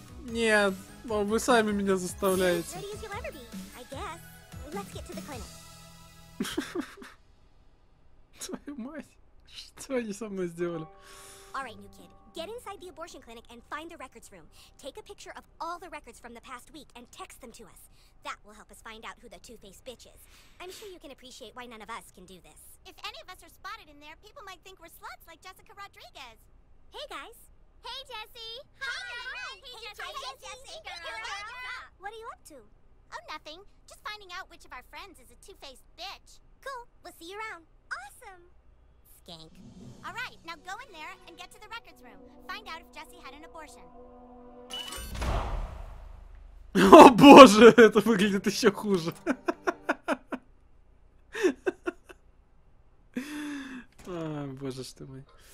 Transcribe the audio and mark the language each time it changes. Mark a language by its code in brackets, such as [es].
[ru] Нет, вы сами меня заставляете. Твою мать, что они со мной сделали? [en] Alright, new kid. Get inside the abortion clinic and find the records room. Take a picture of all the records from the past week and text them to us. That will help us find out who the two-faced bitch is. I'm sure you can appreciate why none of us can do this. If any of us are spotted in there, people might think we're sluts like Jessica Rodriguez. Hey, guys. Hey, Jessie. Hi, Jessie. What are you up to? Oh, nothing. Just finding out which of our friends is a two-faced bitch. Cool. We'll see you around. Awesome. Skank. All right, now go in there and get to the records room. Find out if Jessie had an abortion. [ru] О боже, это выглядит еще хуже. А, боже ж ты мой.